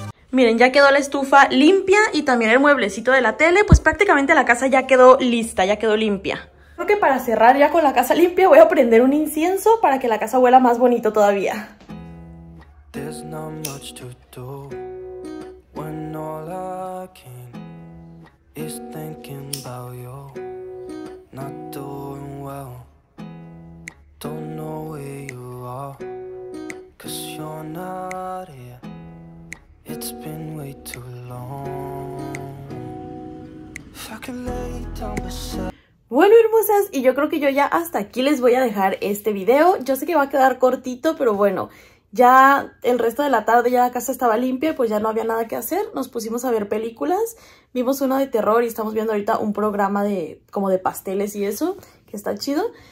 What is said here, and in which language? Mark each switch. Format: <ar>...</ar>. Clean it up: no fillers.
<es>Miren, ya quedó la estufa limpia y también el mueblecito de la tele. Pues prácticamente la casa ya quedó lista, ya quedó limpia. Creo que para cerrar ya con la casa limpia voy a prender un incienso para que la casa huela más bonito todavía.</es> <en>There's not much to do when all I can is thinking about you. Not doing well. Don't know where you are. Cause you're not here. It's been way too long. If I could lay down beside.</en> <es>Bueno, hermosas, y yo creo que yo ya hasta aquí les voy a dejar este video. Yo sé que va a quedar cortito, pero bueno, ya el resto de la tarde ya la casa estaba limpia, pues ya no había nada que hacer. Nos pusimos a ver películas, vimos una de terror y estamos viendo ahorita un programa de como de pasteles y eso, que está chido.</es>